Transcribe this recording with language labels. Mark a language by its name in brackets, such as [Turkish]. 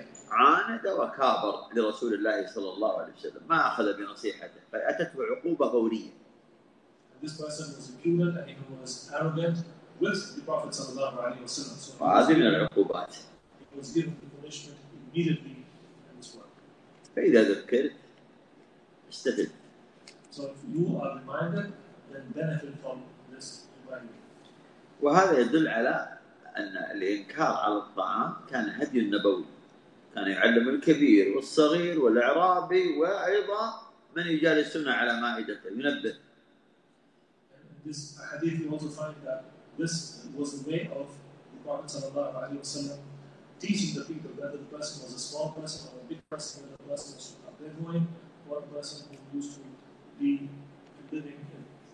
[Arabic] عاند وكابر لرسول الله صلى الله عليه وسلم، ما أخذ بنصيحته، فأتت بعقوبة فورية. [English] This person was impudent and he was arrogant with the Prophet [Arabic] صلى الله عليه وسلم. [English] So [Arabic] هذه من العقوبات. [English] He was given the punishment immediately in this work. [Arabic] فإذا ذكرت استفدت. [English] So if you are reminded, then benefit from this reminding. [Arabic] وهذا يدل على أن الإنكار على الطعام كان هدي النبوي، كان يعلم الكبير والصغير والإعرابي وأيضا من يجالسون على مائدته ينبه. [English] This hadith we also find that this was the way of the Prophet [Arabic] صلى الله عليه وسلم [English] teaching the people whether the person was a small person or a big person, whether the person was a bedouin or a person who used to be living in.